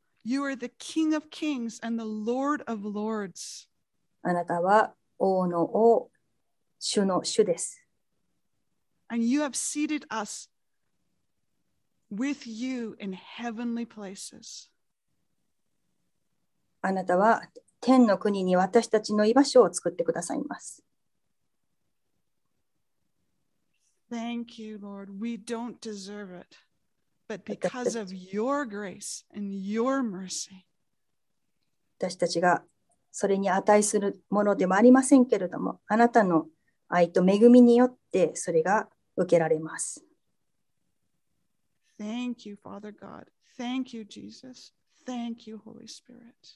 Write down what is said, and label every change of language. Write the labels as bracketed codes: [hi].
[en] You are the King of Kings and the Lord of Lords. [ja] あなたは王の王、主の主です。 [en] And you have seated us with you in heavenly places. [ja] あなたは天の国に私たちの居場所を作ってくださいます。 [en] Thank you, Lord. We don't deserve it. But because of your grace and your mercy. [ja] 私たちがそれに値するものでもありませんけれども、あなたの愛と恵みによってそれが受けられます。 [en] Thank you, Father God. Thank you, Jesus. Thank you, Holy Spirit.